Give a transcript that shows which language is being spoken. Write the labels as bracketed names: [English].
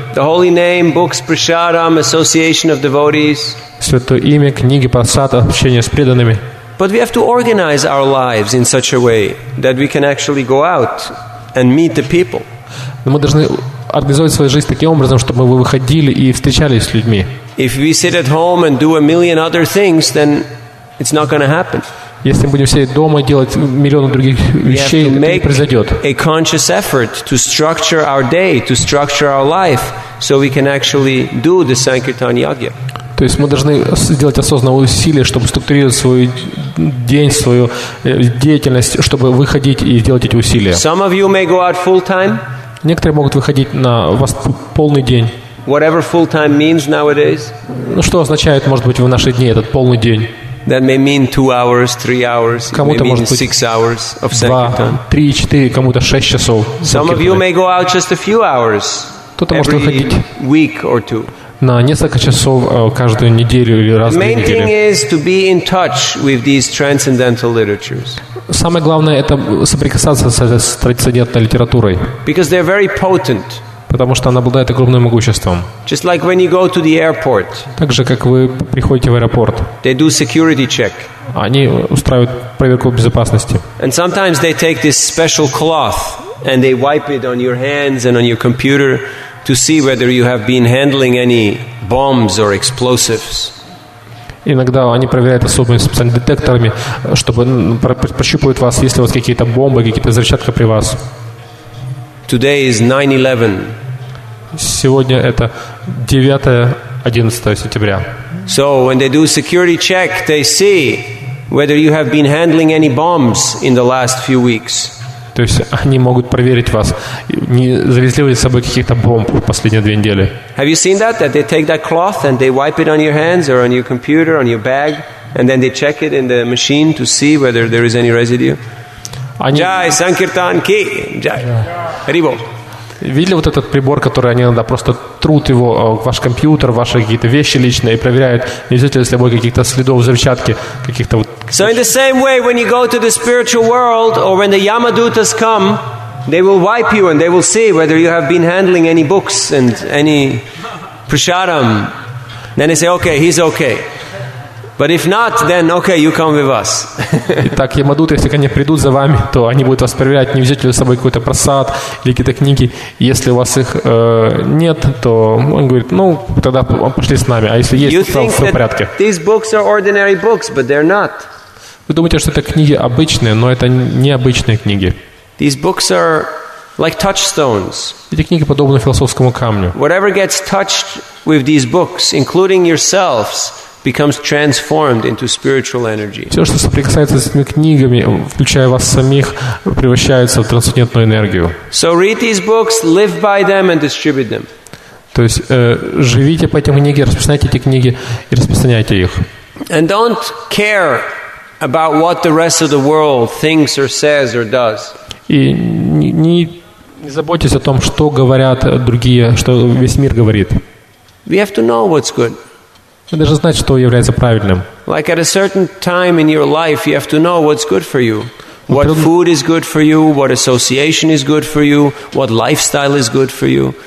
[English] The holy name, books, prasadam, association of devotees. [Russian] Святое имя, книги, прасад, общение с преданными. [English] But we have to organize our lives in such a way that we can actually go out and meet the people. [Russian] Мы должны организовать свою жизнь таким образом, чтобы вы выходили и встречались с людьми. [English] If we sit at home and do a million other things, then it's not going to happen. [Russian] Если мы будем сидеть дома и делать миллионы других вещей, это не произойдет. [English] A conscious effort to structure our day, to structure our life, so we can actually do the Sankirtan Yagya. [Russian] То есть мы должны сделать осознанное усилие, чтобы структурировать свой день, свою деятельность, чтобы выходить и делать эти усилия. [English] Some of you may go out full time. [Russian] Некоторые могут выходить на вас полный день. [English] Whatever full time means nowadays. [Russian] Ну что означает, может быть, в наши дни этот полный день? [English] That may mean 2 hours, 3 hours. [Russian] Кому-то [English] may [Russian] может [English] mean [Russian] быть [English] 6 hours of sankirtan. [Russian] 2, 3, 4. Кому-то 6 часов. [English] Some of you may go out just a few hours. [Russian] Кто-то может выходить [English] week or two. [Russian] На несколько часов каждую неделю или раз в неделю. [English] Main thing is to be in touch with these transcendental literatures. [Russian] Самое главное — это соприкасаться с этой трансцендентной литературой. [English] Because they're very potent. [Russian] Потому что она обладает огромным могуществом. [English] Just like when you go to the airport. [Russian] Так же, как вы приходите в аэропорт. [English] They do security check. [Russian] Они устраивают проверку безопасности. [English] And sometimes they take this special cloth and they wipe it on your hands and on your computer to see whether you have been handling any bombs or explosives. [Russian] Иногда они проверяют особыми специальными детекторами, чтобы прощупывать вас, есть ли у вас какие-то бомбы, какие-то взрывчатка при вас. [English] Today is 9/11. [Russian] Сегодня это 9-11 сентября. [English] So when they do security check, they see whether you have been handling any bombs in the last few weeks. [Russian] То есть они могут проверить вас, не завезли ли с собой каких-то бомб в последние 2 недели. [English] Have you seen that? That they take that cloth and they wipe it on your hands or on your computer, on your bag, and then they check it in the machine to see whether there is any residue. [Russian] Они... [Hindi] Джай, Санкиртан, Ки, Джай, Рибо. [Russian] Видели вот этот прибор, который они иногда просто трут его, ваш компьютер, ваши какие-то вещи личные, и проверяют, не взяли ли с собой каких-то следов взрывчатки, каких-то вот... [English] So in the same way, when you go to the spiritual world, or when the Yamadutas come, they will wipe you, and they will see whether you have been handling any books, and any prasadam. Then they say, okay, he's okay. But if not, then okay, you come with us. [Russian] Итак, Ямадут, если они придут за вами, то они будут вас проверять, не взяли ли с собой какой-то просад или какие-то книги. Если у вас их нет, то он говорит, ну, тогда пошли с нами. А если есть, [English] you [Russian] то все в порядке. [English] These books are ordinary books, but they're not. [Russian] Вы думаете, что это книги обычные, но это необычные книги. [English] These books are like touchstones. [Russian] Эти книги подобны философскому камню. [English] Whatever gets touched with these books, including yourselves, becomes transformed into spiritual energy. [Russian] Все, что соприкасается с этими книгами, включая вас самих, превращается в трансцендентную энергию. [English] So read these books, live by them and distribute them. [Russian] То есть живите по этим книгам, распространяйте эти книги и распространяйте их. [English] And don't care about what the rest of the world thinks or says or does. [Russian] И не заботьтесь о том, что говорят другие, что весь мир говорит. [English] We have to know what's good. [Russian] Вы должны знать, что является правильным. [English] Like at a certain time in your life, you have to know what's good for you. What food is good for you, what association is good for you, what lifestyle is good for you.